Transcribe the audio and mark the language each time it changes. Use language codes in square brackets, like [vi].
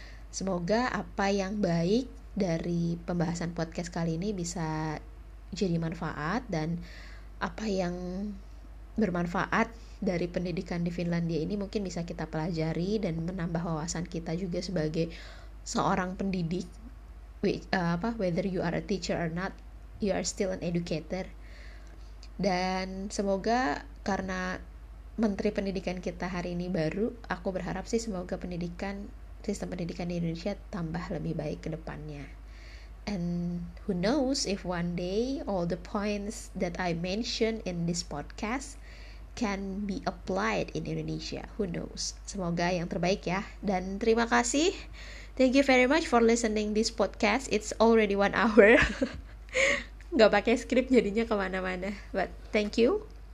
[id] Semoga apa yang baik dari pembahasan podcast kali ini bisa jadi manfaat, dan apa yang bermanfaat dari pendidikan di Finlandia ini mungkin bisa kita pelajari dan menambah wawasan kita juga sebagai seorang pendidik. [en] Whether you are a teacher or not, you are still an educator. [id] Dan semoga karena menteri pendidikan kita hari ini baru, aku berharap sih semoga pendidikan, sistem pendidikan di Indonesia tambah lebih baik ke depannya. [en] And who knows if one day all the points that I mentioned in this podcast can be applied in Indonesia. Who knows? [id] Semoga yang terbaik ya. Dan terima kasih. [en] Thank you very much for listening this podcast. It's already 1 hour. [id] Gak pakai skrip jadinya kemana-mana. [en] But thank you.